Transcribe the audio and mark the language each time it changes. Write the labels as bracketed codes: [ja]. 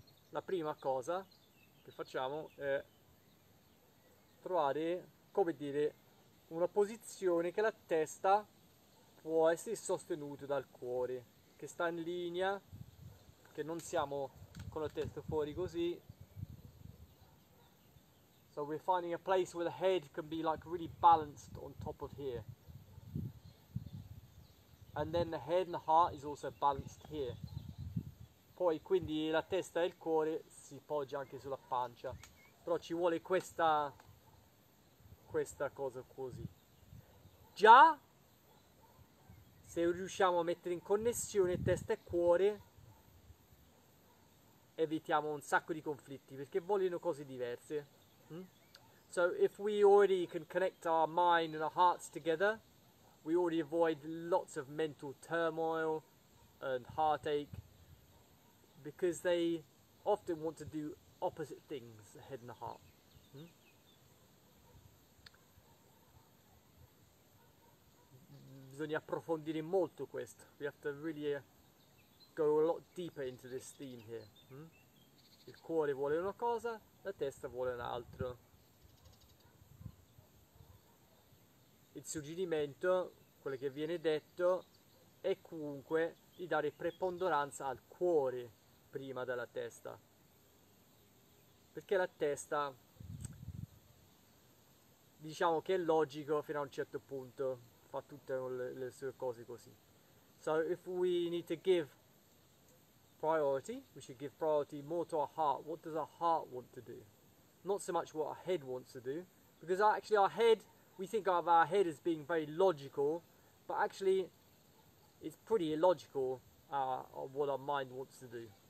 [it] La prima cosa che facciamo è trovare, come dire, una posizione che la testa può essere sostenuta dal cuore, che sta in linea, che non siamo con la testa fuori così. [en] So we're finding a place where the head can be like really balanced on top of here. And then the head and the heart is also balanced here. [it] Poi quindi la testa e il cuore si poggia anche sulla pancia. Però ci vuole questa cosa così. Già, se riusciamo a mettere in connessione testa e cuore, evitiamo un sacco di conflitti, perché vogliono cose diverse. [en] So if we already can connect our mind and our hearts together, we already avoid lots of mental turmoil and heartache, because they often want to do opposite things, the head and the heart. [it] Bisogna approfondire molto questo. [en] We have to really go a lot deeper into this theme here. [it] Il cuore vuole una cosa, la testa vuole un'altra. Il suggerimento, quello che viene detto, è comunque di dare preponderanza al cuore prima della testa. Perché la testa, diciamo che è logico fino a un certo punto, fa tutte le sue cose così. [en] So if we need to give priority, we should give priority more to our heart. What does our heart want to do? Not so much what our head wants to do, because actually our head, we think of our head as being very logical, but actually it's pretty illogical of what our mind wants to do.